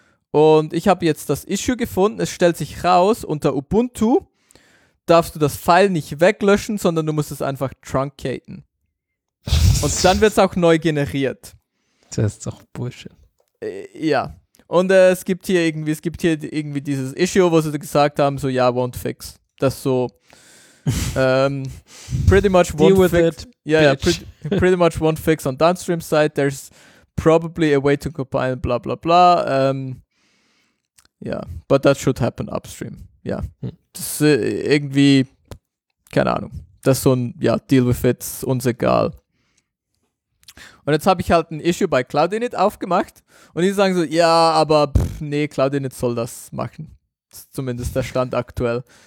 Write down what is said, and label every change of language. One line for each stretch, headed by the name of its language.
German: Und ich habe jetzt das Issue gefunden. Es stellt sich raus, unter Ubuntu darfst du das File nicht weglöschen, sondern du musst es einfach truncaten. Und dann wird es auch neu generiert. Das ist doch Bullshit. Ja, und es gibt hier irgendwie dieses Issue, wo sie gesagt haben, so, ja,
English: won't fix.
German: Das so,
English: pretty much won't deal with fix. It, yeah, yeah, pretty much won't fix on downstream side. There's probably a way to compile, bla bla bla. Yeah, but that should happen upstream.
German: Ja, das ist irgendwie, keine Ahnung, das ist so ein, ja,
English: deal with it,
German: uns egal. Und jetzt habe ich halt ein Issue bei Cloud Init aufgemacht und die sagen so, ja, aber nee, Cloud Init soll das machen. Das ist zumindest der Stand aktuell.